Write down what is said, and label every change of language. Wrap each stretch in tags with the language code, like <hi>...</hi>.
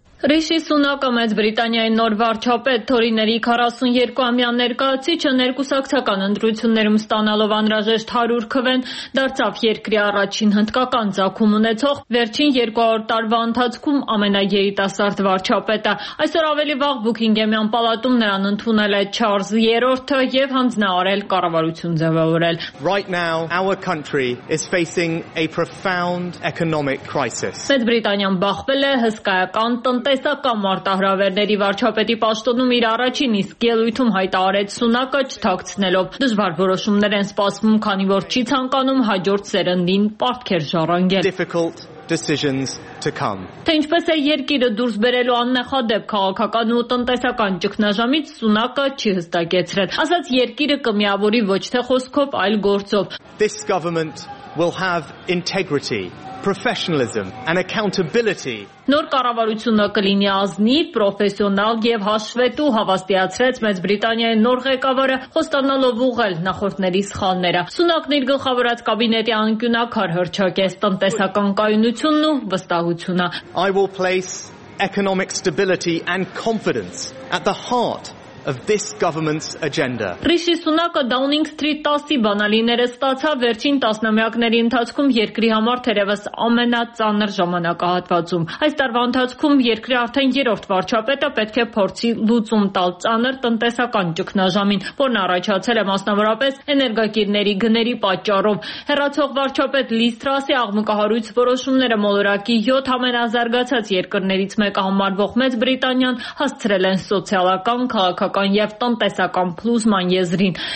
<hy>Ռիշի Սունակը Մեծ Բրիտանիայի նոր վարչապետ Թորիների 42-ամյա ներկայացիչը ներկուսակցական ընտրություններում ստանալով անհրաժեշտ 100 քվեն դարձավ երկրի առաջին հնդկական ցակում ունեցող վերջին 200 տարվա ընթացքում ամենաերիտասարդ վարչապետը։ Այսօր ավելի վաղ Բուքինգեմյան պալատում նրան ընդունել է Չարլզ 3-րդը եւ հանձնարարել կառավարություն ձևավորել։</hy> <en>Right now our country is facing a profound economic crisis.</en> <hy>Մեծ Բրիտանիան բախվել է հսկայական տնտեսական մարտահրավերների վարչապետի պաշտոնում իր առաջին իսկ ելույթում հայտարարեց Սունակը չթաքցնելով։ Դժվար որոշումներ են սպասվում, քանի որ չի ցանկանում հաջորդ սերնդին պարտքեր ժառանգել։</hy> <en>Decisions to come.</en> <hy>Թե ինչպես է երկիրը դուրս բերելու աննախադեպ քաղաքական ու տնտեսական ճգնաժամից Սունակը չի հստակեցրել։ Ասաց, երկիրը կմիավորի ոչ թե խոսքով, այլ գործով։</hy> <en>This government will have integrity, professionalism and accountability.</en> <hy>Նոր կառավարությունը կլինի ազնիվ, պրոֆեսիոնալ եւ հաշվետու, հավաստիացրեց Մեծ Բրիտանիայի նոր ղեկավարը, խոստանալով ուղղել նախորդների սխալները։ Սունակն իր գլխավորած կաբինետի անկյունակար հրճակեց տնտեսական կայունությունն ու վստահությունը։</hy> <en>I will place economic stability and confidence at the heart of this government's agenda.</en> <hy>Rishi Sunak-ը Downing Street 10-ի բանալիները ստացավ վերջին տասնամյակների ընթացքում երկրի համար թերևս ամենածանր ժամանակահատվածում։ Այս տարվա ընթացքում երկրի արդեն 3-րդ վարչապետը պետք է փորձի լուծում տալ ծանր տնտեսական ճգնաժամին, որն առաջացել է մասնավորապես էներգակիրների գների պատճառով։ Հերացող վարչապետ Liz Truss-ի աղմուկահարույց որոշումները մոլորակի 7 ամենազարգացած երկրներից մեկը համարվող Մեծ Բրիտանիան հասցրել են սոցիալական քաղաքական և տնտեսական փլուզման եզրին։</hy>